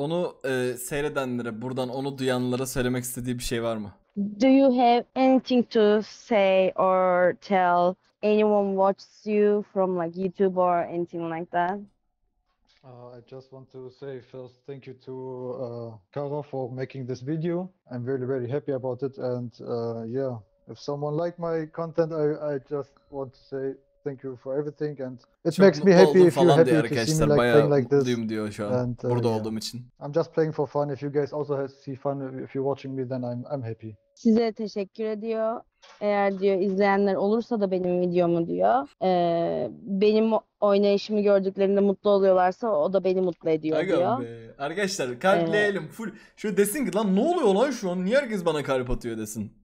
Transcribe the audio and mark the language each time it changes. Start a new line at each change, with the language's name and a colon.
Turkish: Onu seyredenlere, buradan onu duyanlara söylemek istediği bir şey var mı?
English: Do you have anything to say or tell anyone watches you from like YouTube or anything like that? I just want to say first thank you to Kara for making this video. I'm really, really happy about it. And yeah, if someone liked my content, I just want to say thank you for everything. And it
Turkish: çok
English: makes me happy if you're happy to see me like playing like this.
Turkish: Diyor şu an. And, burada olduğum için.
English: I'm just playing for fun. If you guys also see fun, if you're watching me, then I'm happy.
Turkish: Size teşekkür ediyor. Eğer diyor izleyenler olursa da benim videomu diyor. Benim oynayışımı gördüklerinde mutlu oluyorlarsa o da beni mutlu ediyor aga diyor. Be. Arkadaşlar kalpleyelim full. Şöyle desin ki lan ne oluyor lan şu an? Niye herkes bana kalp atıyor desin.